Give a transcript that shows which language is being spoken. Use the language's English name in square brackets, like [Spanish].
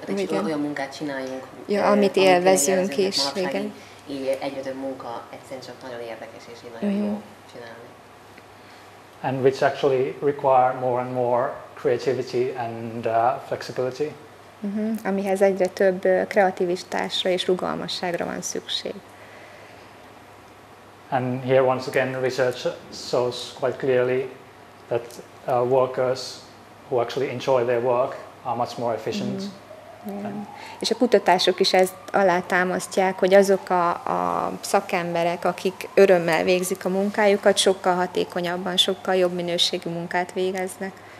[Hungarian] Olyan munkát csináljunk, amit élvezünk is. Igen. Így egyre több munka egyszerűen csak nagyon érdekes, és így nagyon jó csinálni. [English] And which actually require more and more creativity and flexibility. Mm-hmm. [Hungarian] Amihez egyre több kreativitásra és rugalmasságra van szükség. [English] And here once again research shows quite clearly that workers who actually enjoy their work are much more efficient. Mm-hmm. Yeah. [Hungarian] És a kutatások is ezt alátámasztják, hogy azok a szakemberek, akik örömmel végzik a munkájukat, sokkal hatékonyabban, sokkal jobb minőségű munkát végeznek.